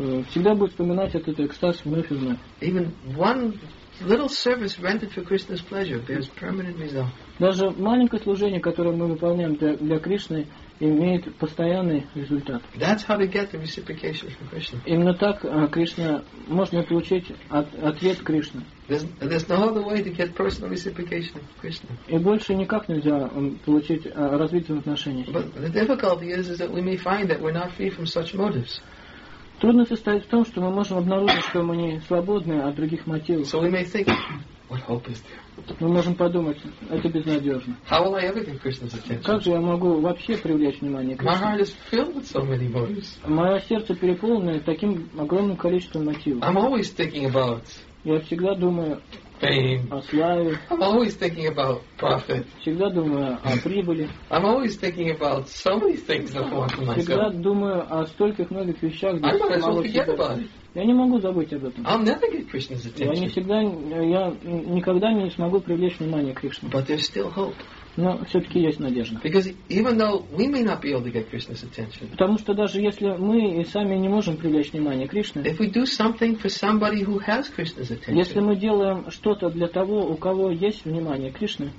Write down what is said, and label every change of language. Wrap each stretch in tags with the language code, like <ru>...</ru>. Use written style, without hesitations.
<ru>Всегда будет вспоминать этот экстаз вновь и вновь.</ru> <en>Even one little service rendered for Krishna's pleasure bears permanent result.</en> <ru>Даже маленькое служение, которое мы выполняем для Кришны, имеет постоянный результат.</ru> <en>That's how we get the reciprocation from Krishna.</en> <ru>Именно так Кришна можно получить ответ Кришны.</ru> <en>There's no other way to get personal reciprocation from Krishna.</en> <ru>И больше никак нельзя получить развитие отношений.</ru> <en>But the difficulty is that we may find that we're not free from such motives.</en> <ru>Трудно состоит в том, что мы можем обнаружить, что мы не свободны от других мотивов.</ru> <en>So we may think, What hope is there?</en> <ru>Мы можем подумать, это безнадежно.</ru> <en>How will I ever get Krishna's attention?</en> <ru>Как же я могу вообще привлечь внимание Кришны?</ru> <en>My heart is filled with so many motives.</en> <ru>Мое сердце переполнено таким огромным количеством мотивов.</ru> <en>I'm always thinking about.</en> <ru>Я всегда думаю.</ru> <en>Fame. I'm always thinking about profit.</en> <ru>Всегда думаю о прибыли.</ru> <en>I'm always thinking about so many things that I want for myself.</en> <ru>Всегда думаю о стольких многих вещах, где я могу забыть. Я не могу забыть об этом.</ru> <en>I'll never get Krishna's attention.</en> <ru>Я никогда не смогу привлечь внимание Кришны.</ru> <en>But there's still hope.</en> <ru>Но все-таки есть надежда. Потому что даже если мы и сами не можем привлечь внимание Кришны, если мы делаем что-то для того, у кого есть внимание Кришны,</ru>